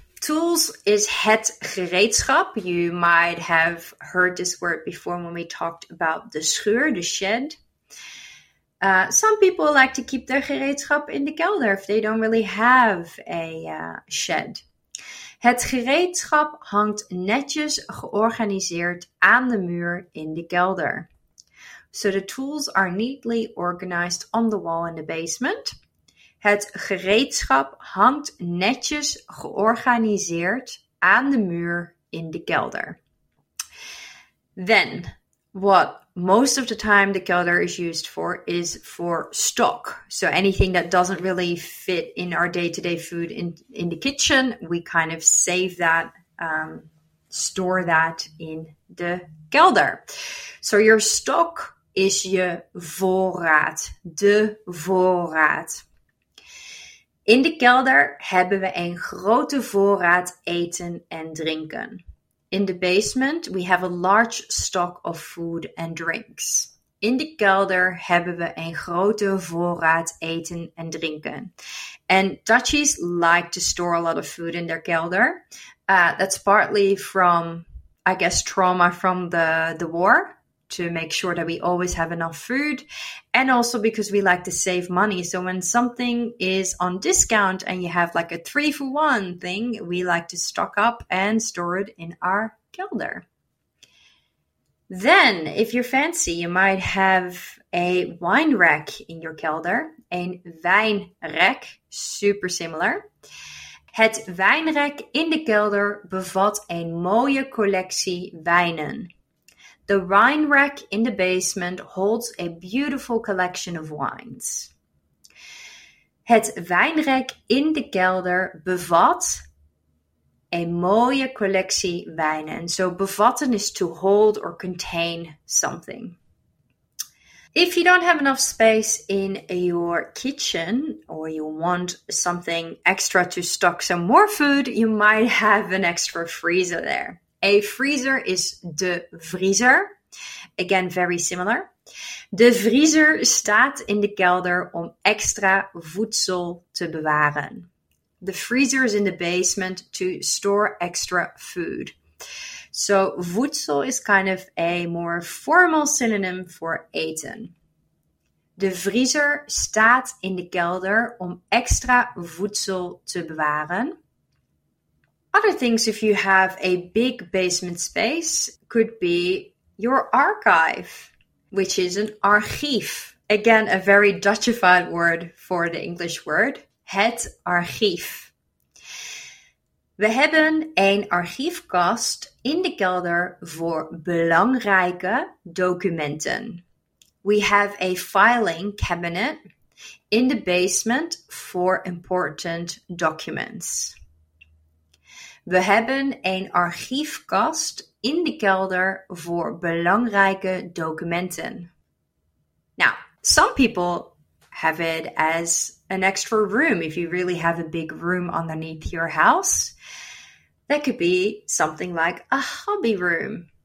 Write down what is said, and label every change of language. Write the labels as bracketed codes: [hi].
[nl] Tools is het gereedschap. [en] You might have heard this word before when we talked about the schuur, the shed. Some people like to keep their gereedschap in the kelder if they don't really have a shed. [nl] Het gereedschap hangt netjes georganiseerd aan de muur in de kelder. [en] So the tools are neatly organized on the wall in the basement. [nl] Het gereedschap hangt netjes georganiseerd aan de muur in de kelder. [en] Then, what most of the time the kelder is used for is for stock. So anything that doesn't really fit in our day-to-day food in the kitchen, we kind of save that, store that in the kelder. So your stock is je voorraad, de voorraad. [nl] In de kelder hebben we een grote voorraad eten en drinken. [en] In the basement, we have a large stock of food and drinks. [nl] In de kelder hebben we een grote voorraad eten en drinken. [en] And Dutchies like to store a lot of food in their kelder. That's partly from, I guess, trauma from the war, to make sure that we always have enough food. And also because we like to save money. So when something is on discount and you have like a 3-for-1 thing, we like to stock up and store it in our kelder. Then, if you're fancy, you might have a wine rack in your kelder. [nl] Een wijnrek, [en] super similar. [nl] Het wijnrek in de kelder bevat een mooie collectie wijnen. [en] The wine rack in the basement holds a beautiful collection of wines. [nl] Het wijnrek in de kelder bevat een mooie collectie wijnen. [en] So bevatten is to hold or contain something. If you don't have enough space in your kitchen or you want something extra to stock some more food, you might have an extra freezer there. A freezer is de vriezer. Again, very similar. [nl] De vriezer staat in de kelder om extra voedsel te bewaren. [en] The freezer is in the basement to store extra food. So voedsel is kind of a more formal synonym for eten. [nl] De vriezer staat in de kelder om extra voedsel te bewaren. [en] Other things, if you have a big basement space, could be your archive, which is an archief. Again, a very Dutchified word for the English word, het archief. [nl] We hebben een archiefkast in de kelder voor belangrijke documenten. [en] We have a filing cabinet in the basement for important documents. [nl] We hebben een archiefkast in de kelder voor belangrijke documenten. [en] Now, some people have it as an extra room. If you really have a big room underneath your house, that could be something like a hobby room.